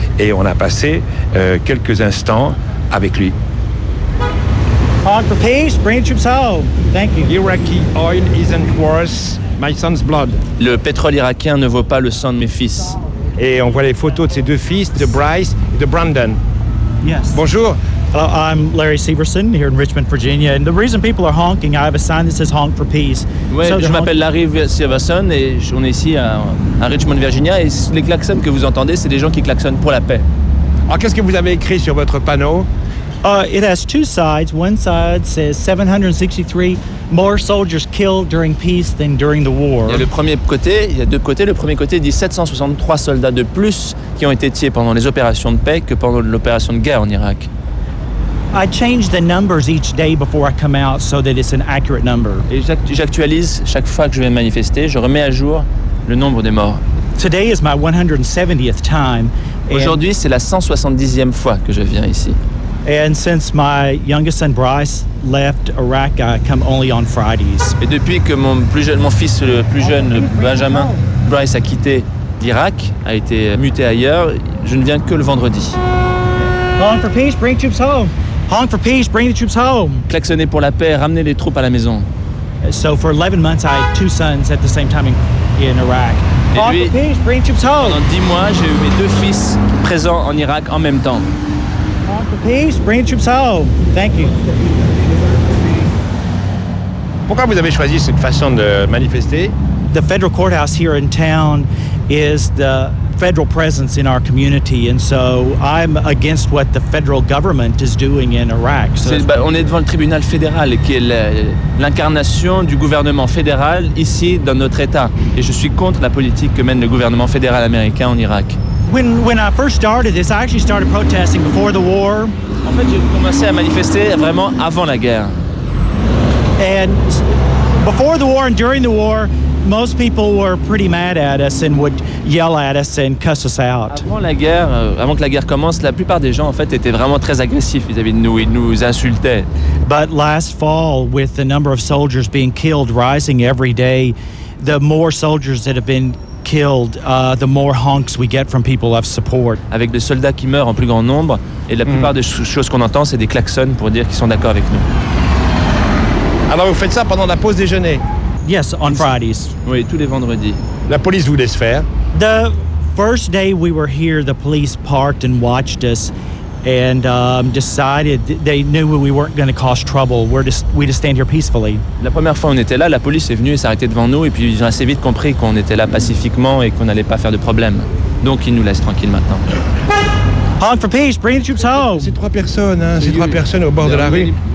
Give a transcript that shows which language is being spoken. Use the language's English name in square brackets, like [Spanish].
[French] Et on a passé quelques instants avec lui. [English] Hong for peace, bring the troops home. Thank you. Iraqi oil isn't worth my son's blood. [French] Le pétrole irakien ne vaut pas le sang de mes fils. Et on voit les photos de ses deux fils, de Bryce et de Brandon. [English] Yes. [French] Bonjour. [English] Hello, I'm Larry Syverson here in Richmond, Virginia. And the reason people are honking, I have a sign that says honk for peace. [French] Oui, so je m'appelle Larry Syverson et on est ici à Richmond, Virginia. Et les klaxons que vous entendez, c'est des gens qui klaxonnent pour la paix. Alors, qu'est-ce que vous avez écrit sur votre panneau? [English] It has two sides. One side says 763 more soldiers killed during peace than during the war. [French] Il y a le premier côté, il y a deux côtés. Le premier côté dit 763 soldats de plus qui ont été tués pendant les opérations de paix que pendant l'opération de guerre en Irak. [English] I change the numbers each day before I come out so that it's an accurate number. [French] Et j'actualise chaque fois que je vais manifester, je remets à jour le nombre des morts. [English] Today is my 170th time. [French] Aujourd'hui, c'est la 170e fois que je viens ici. [English] And since my youngest son Bryce left Iraq, I come only on Fridays. [French] Et depuis que mon fils le plus jeune, Benjamin Bryce a quitté l'Irak, a été muté ailleurs, je ne viens que le vendredi. [English] Hong for peace, bring troops home. Hong for peace, bring the troops home. [French] Klaxonner pour la paix, ramener les troupes à la maison. [English] So for 11 months, I had two sons at the same time in Iraq. Hong for peace, bring troops home. [French] Pendant 10 mois, j'ai eu mes deux fils présents en Irak en même temps. [English] Peace, bring the troops home. Thank you. [French] Pourquoi vous avez choisi cette façon de manifester? [English] The federal courthouse here in town is the federal presence in our community, and so I'm against what the federal government is doing in Iraq. So [French] on est devant le tribunal fédéral, qui est l'incarnation du gouvernement fédéral ici dans notre État, et je suis contre la politique que mène le gouvernement fédéral américain en Irak. [English] When I first started this, I actually started protesting before the war. [French] En fait, j'ai commencé à manifester vraiment avant la guerre. [English] And before the war and during the war, most people were pretty mad at us and would yell at us and cuss us out. [French] Avant que la guerre commence, la plupart des gens en fait étaient vraiment très agressifs vis-à-vis de nous, ils nous insultaient. [English] But last fall, with the number of soldiers being killed rising every day, the more soldiers that have been killed, the more honks we get from people of support. [French] Avec des soldats qui meurent en plus grand nombre, et la plupart des choses qu'on entend, c'est des klaxons pour dire qu'ils sont d'accord avec nous. Alors vous faites ça pendant la pause déjeuner? [English] Yes, on Fridays. [French] Oui, tous les vendredis. La police vous laisse faire? [English] The first day we were here, the police parked and watched us and decided they knew we weren't going to cause trouble. We just stand here peacefully. [French] La première fois on était là, la police est venue et s'est arrêtée devant nous, et puis ils ont assez vite compris qu'on était là pacifiquement et qu'on n'allait pas faire de problème. Donc ils nous laissent tranquilles maintenant. [English] Hong for peace, bring the troops home. [French] C'est trois personnes, hein? C'est trois personnes au bord de la rue.